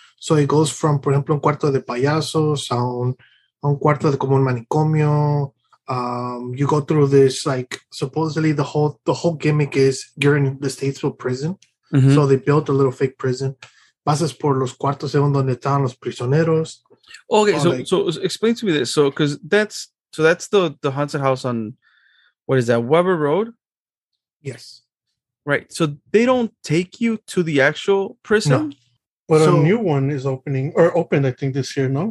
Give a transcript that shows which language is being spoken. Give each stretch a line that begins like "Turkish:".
English: So it goes from,
Spanish: por ejemplo, un cuarto de payasos a un cuarto de como un manicomio.
English: You go through this, like, supposedly the whole gimmick is you're in the Statesville prison. Mm-hmm. So they built a little fake prison.
Spanish: Pasas por los cuartos según donde estaban los prisioneros.
English: Okay, so explain to me this. So, because that's the haunted house on, what is that, Weber Road? Yes. Right. So they don't take you to the actual prison? No. But so, a new one is opening, or opened, I think, this year, no?